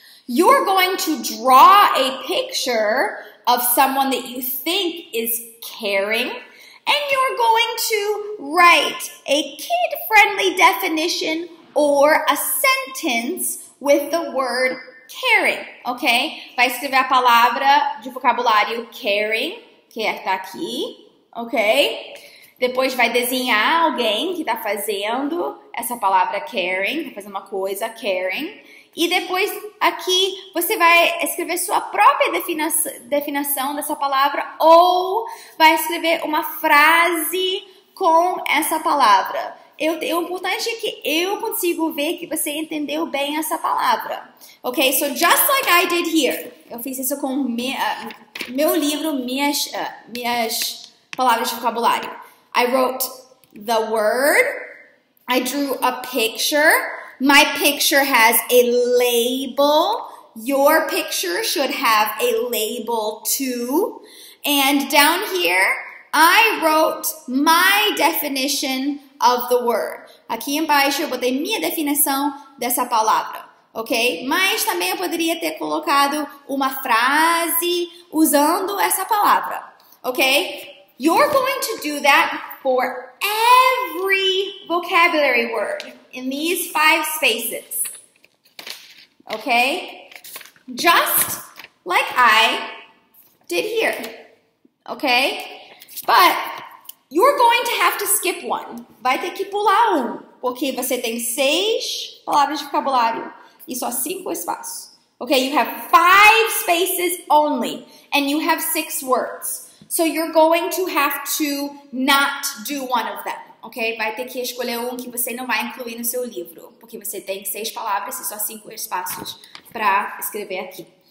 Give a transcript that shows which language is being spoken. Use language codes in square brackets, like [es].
[en] You're going to draw a picture of someone that you think is caring, and you're going to write a kid-friendly definition or a sentence with the word caring, okay? [pt] Vai escrever a palavra de vocabulário caring, que é tá aqui, okay? Depois vai desenhar alguém que tá fazendo essa palavra caring, tá fazendo uma coisa caring. E depois aqui você vai escrever sua própria definição dessa palavra ou vai escrever uma frase com essa palavra. O importante é que eu consigo ver que você entendeu bem essa palavra. Ok? [en] So, just like I did here. [pt] Eu fiz isso com meu livro, minhas palavras de vocabulário. [en] I wrote the word. I drew a picture. My picture has a label. Your picture should have a label too. And down here, I wrote my definition of the word. [pt] Aqui embaixo eu botei minha definição dessa palavra, ok? Mas também eu poderia ter colocado uma frase usando essa palavra, ok? [en] You're going to do that for every vocabulary word in these five spaces, ok? Just like I did here, ok? But you're going to have to skip one. [pt] Vai ter que pular um, porque você tem seis palavras de vocabulário e só cinco espaços. [en] Okay, you have five spaces only, and you have six words. So you're going to have to not do one of them. [pt] Okay, vai ter que escolher um que você não vai incluir no seu livro, porque você tem seis palavras e só cinco espaços para escrever aqui.